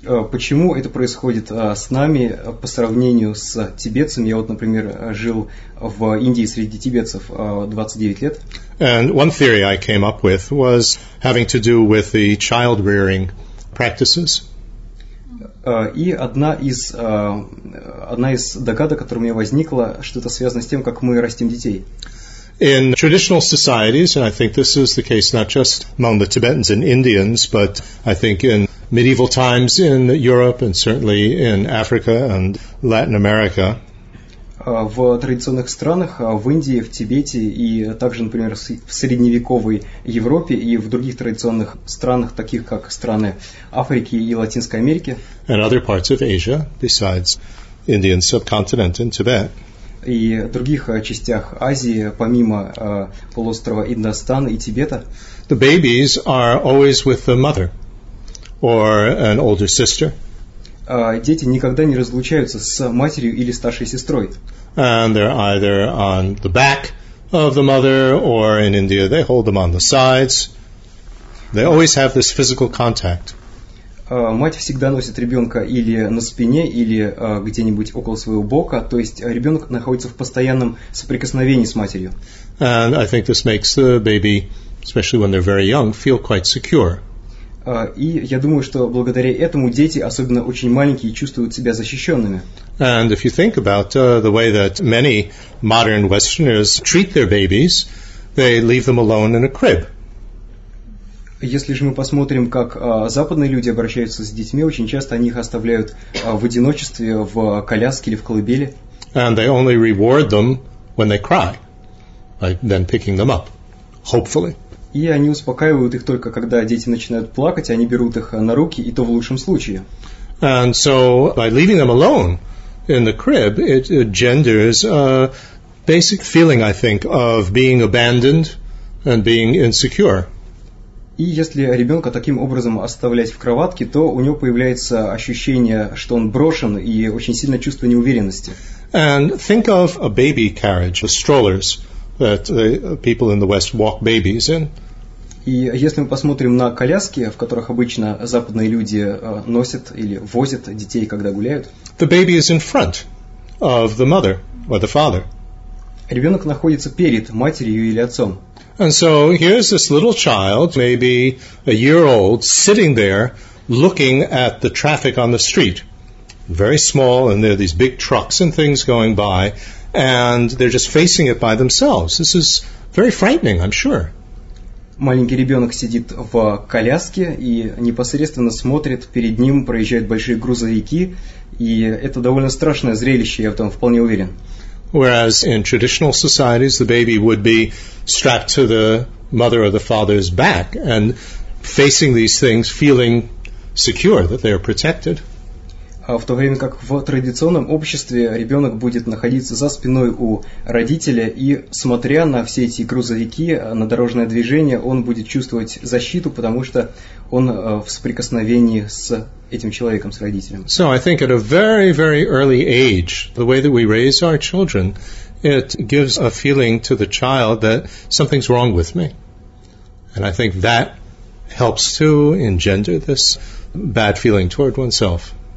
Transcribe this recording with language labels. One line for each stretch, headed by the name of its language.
Russian: Почему это происходит с нами по сравнению с тибетцами? Я вот, например, жил в Индии среди тибетцев 29 лет.
English: And one theory I came up with was having to do with the child-rearing practices.
Russian: И одна из догадок, которая у меня возникла, что это связано с тем, как мы растим детей.
English: In traditional societies, and I think this is the case not just among the Tibetans and Indians, but I think in medieval times in Europe and certainly in Africa and Latin America.
Russian: В традиционных странах, в Индии, в Тибете и также, например, в средневековой Европе и в других традиционных странах, таких как страны Африки и Латинской Америки.
English: And other parts of Asia, besides Indian subcontinent and Tibet.
Russian: И в других частях Азии, помимо полуострова Индостан и Тибета.
English: The babies are always with the mother or an older sister.
Russian: Дети никогда не разлучаются с матерью или старшей сестрой.
English: And they're either on the back of the mother or in India they hold them on the sides. They always have this physical contact.
Russian: Мать всегда носит ребенка или на спине, или где-нибудь около своего бока, то есть ребенок находится в постоянном соприкосновении с матерью.
English: And I think this makes the baby, especially when they're very young, feel quite secure.
Russian: И я думаю, что благодаря этому дети, особенно очень маленькие, чувствуют себя защищенными.
English: And if you think about the way that many modern Westerners treat their babies, they leave them alone in a crib.
Russian: Если же мы посмотрим, как западные люди обращаются с детьми, очень часто они их оставляют в одиночестве, в коляске или в колыбели.
English: And they only reward them when they cry, like then picking them up, hopefully.
Russian: И они успокаивают их только, когда дети начинают плакать, они берут их на руки, и то в лучшем случае.
English: And so, by leaving them alone in the crib, it genders a basic feeling, I think, of being abandoned and being insecure.
Russian: И если ребенка таким образом оставлять в кроватке, то у него появляется ощущение, что он брошен, и очень сильное чувство неуверенности.
English: And think of a baby carriage, the strollers, that the people in the West walk babies in.
Russian: И если мы посмотрим на коляски, в которых обычно западные люди носят или возят детей, когда гуляют,
English: the baby is in front of the mother or the father.
Russian: Ребенок находится перед матерью или отцом.
English: And so here's this little child, maybe a year old, sitting there looking at the traffic on the street. Very small, and there are these big trucks and things going by, and they're just facing it by themselves. This is very frightening, I'm sure.
Russian: Маленький ребенок сидит в коляске и непосредственно смотрит, перед ним проезжают большие грузовики, и это довольно страшное зрелище, я в этом вполне уверен.
English: Whereas in traditional societies, the baby would be strapped to the mother or the father's back and facing these things, feeling secure that they are protected.
Russian: В то время как в традиционном обществе ребенок будет находиться за спиной у родителя и, смотря на все эти грузовики, на дорожное движение, он будет чувствовать защиту, потому что он в соприкосновении с этим человеком, с родителем.
English: So I think at a very, very early age, the way that we raise our children, it gives a feeling to the child that something's wrong with me. And I think that helps to engender this bad feeling toward oneself.